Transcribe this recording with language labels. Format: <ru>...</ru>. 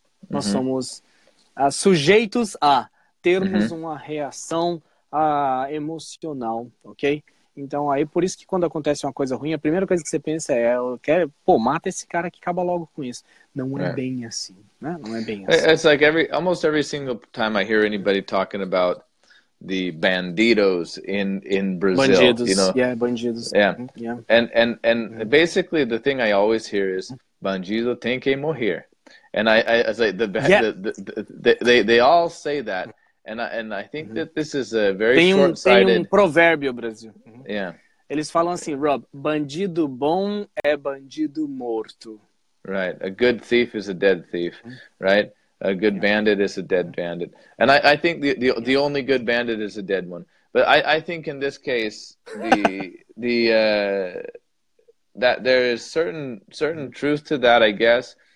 <pt>nós somos sujeitos a termos mm-hmm. uma reação emocional, ok? Então, aí, por isso que quando acontece uma coisa ruim, a primeira coisa que você pensa é, mata esse cara que acaba logo com isso. Não é bem assim, né? Não é bem assim.</pt> <en>It's like almost every single time I hear anybody talking about the bandidos in Brazil.</en> <pt>Bandidos,</pt> <en>you know? Yeah, bandidos. Yeah. And basically, the thing I always hear is,</en> <pt>bandido tem que morrer.</pt> <en>And they all say that. And I think uh-huh. that this is a very short-sighted...</en> <pt>Tem um provérbio, Brasil.</pt> <en>Uh-huh. Yeah.</en> <pt>Eles falam assim, Rob, bandido bom é bandido morto.</pt> <en>Right. A good thief is a dead thief, uh-huh. right? A good yeah. bandit is a dead uh-huh. bandit. And I think the only good bandit is a dead one. But I think in this case, that there is certain truth to that, I guess.</en>